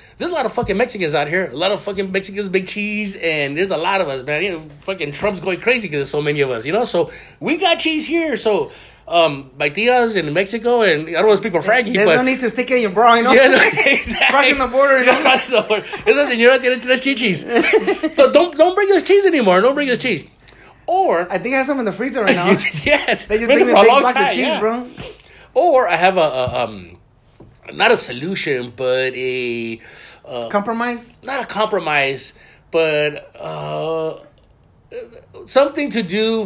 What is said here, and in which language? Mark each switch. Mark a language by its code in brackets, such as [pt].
[en] There's a lot of fucking Mexicans out here. A lot of fucking Mexicans, big cheese, and there's a lot of us, man. You know, fucking Trump's going crazy because there's so many of us, you know? So we got cheese here, so. My tia's in Mexico, and I don't want to speak for Frankie, there's but... There's no need to stick it in your bra, you know? Yeah, exactly. Crossing the border, you know? [es] Esa señora tiene tres chichis. [en] So don't bring us cheese anymore. Don't bring us cheese. Or... I think I have some in the freezer right now. Yes. They just bring me a big box of cheese, bro. Or I have a not a solution, but a... compromise? Not a compromise, but something to do...